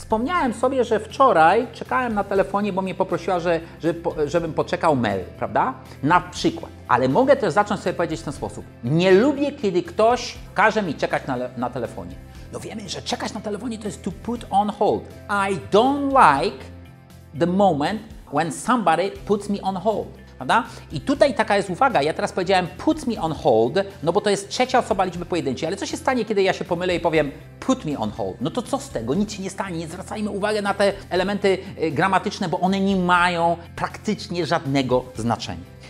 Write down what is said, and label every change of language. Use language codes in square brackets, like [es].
[pl] wspomniałem sobie, że wczoraj czekałem na telefonie, bo mnie poprosiła, żebym poczekał mail, prawda? Na przykład. Ale mogę też zacząć sobie powiedzieć w ten sposób. Nie lubię, kiedy ktoś każe mi czekać na telefonie. No wiemy, że czekać na telefonie to jest [en] to put on hold. I don't like the moment when somebody puts me on hold. [pl] Prawda? I tutaj taka jest uwaga, ja teraz powiedziałem [en] put me on hold, [pl] no bo to jest trzecia osoba liczby pojedynczej, ale co się stanie, kiedy ja się pomylę i powiem put me on hold? No to co z tego? Nic się nie stanie, nie zwracajmy uwagi na te elementy gramatyczne, bo one nie mają praktycznie żadnego znaczenia.